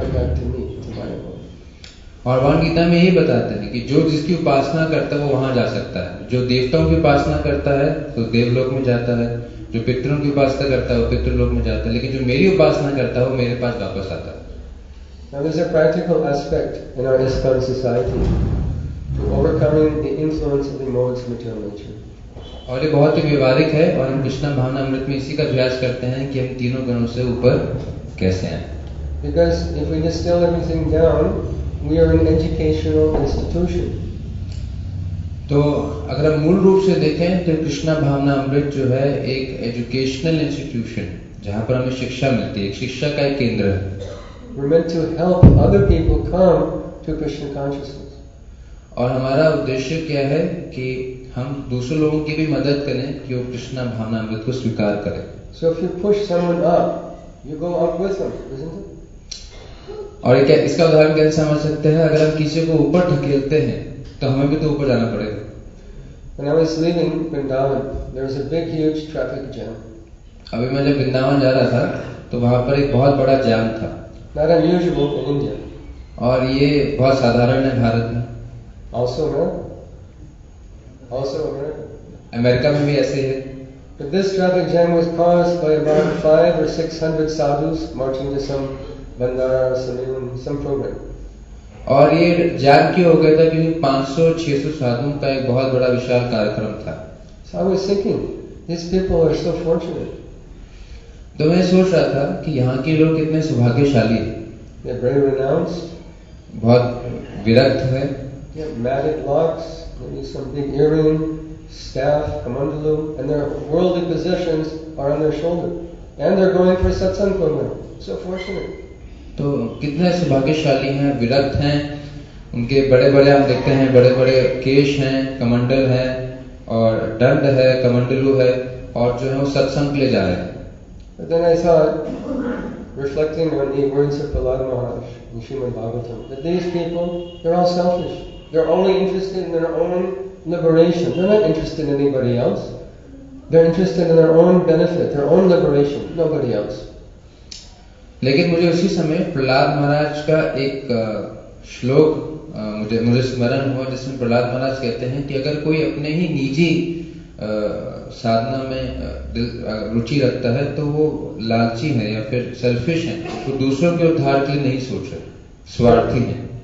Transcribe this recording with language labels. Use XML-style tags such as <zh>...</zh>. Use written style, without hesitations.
<hi>और भगवान गीता में यही बताते हैं कि जो जिसकी उपासना करता है वो वहां जा सकता है. जो देवताओं की उपासना करता है तो देवलोक में जाता है. जो पितरों की उपासना करता है वो पितृलोक में जाता है. लेकिन जो मेरी उपासना करता है वो मेरे पास वापस आता है.</hi> <en>Now there's a practical aspect in our ISKCON society to overcoming the influence of the modes of material nature.</en> <hi>और ये बहुत ही व्यवहारिक है और हम कृष्ण भावनामृत में इसी का अभ्यास करते हैं कि हम तीनों गुणों से ऊपर कैसे आए.</hi> <en>Because if we distill everything down, we are an educational institution.</en> <hi>तो अगर हम मूल रूप से देखें तो कृष्णा भावना अमृत जो है एक</hi> <en>educational institution</en> <hi>जहाँ पर हमें शिक्षा मिलती है. एक शिक्षा का एक केंद्र है.</hi> <en>We're meant to help other people come to Krishna consciousness.</en> <hi>और हमारा उद्देश्य क्या है कि हम दूसरे लोगों की भी मदद करें कि वो कृष्णा भावना अमृत को स्वीकार करें.</hi> <en>So if you push someone up, you go up with them, isn't it?</en> <hi>और इसका उदाहरण कैसे समझ सकते हैं अगर हम किसी को ऊपर ढकेलते हैं तो हमें भी तो ऊपर जाना पड़ेगा.</hi> <en>When I was leaving Vrindavan, there was a big, huge traffic jam.</en> <hi>अभी मैं जब वृंदावन जा रहा था तो वहां पर एक बहुत बड़ा जाम था.</hi> <en>Not unusual in India.</en> <hi>और ये बहुत साधारण है भारत में.</hi> <en>Also America. Also America.</en> <hi>America में भी ऐसे है.</hi> <en>But this traffic jam was caused by about 500 or 600 sadhus marching to some</en> <hi>और ये जाग क्यों हो गया था क्योंकि 500-600 साधुओं का एक बहुत बड़ा विशाल कार्यक्रम था.</hi> <en>So I was thinking, these people are so fortunate.</en> <hi>तो मैं सोच रहा था कि यहाँ के लोग कितने सौभाग्यशाली हैं.</hi> <en>They're very renounced.</en> <hi>बहुत विरक्त है.</hi> <en>They have magic locks, maybe some big earring, staff, kamandalu, and their worldly possessions are on their shoulder. And they're going for satsang program. So fortunate.</en> <hi>तो कितने सौभाग्यशाली हैं विरक्त हैं उनके बड़े बड़े हम देखते हैं बड़े बड़े केश हैं कमंडल है और दंड है कमंडलू है और जो है सत्संग ले जा रहे हैं.</hi> <en>But then I saw, reflecting on the words of Prahlad Maharaj in Srimad Bhagavatam, that these people, they're all selfish. They're only interested in their own liberation. They're not interested in anybody else. They're interested in their own benefit, their own liberation, nobody else.</en> <hi>लेकिन मुझे उसी समय प्रहलाद महाराज का एक श्लोक मुझे स्मरण हुआ, जिसमें प्रहलाद महाराज कहते हैं कि अगर कोई अपने ही निजी साधना में रुचि रखता है तो वो लालची है या फिर सेल्फिश है, वो दूसरों के उद्धार के लिए नहीं सोच रहा, स्वार्थी है.</hi>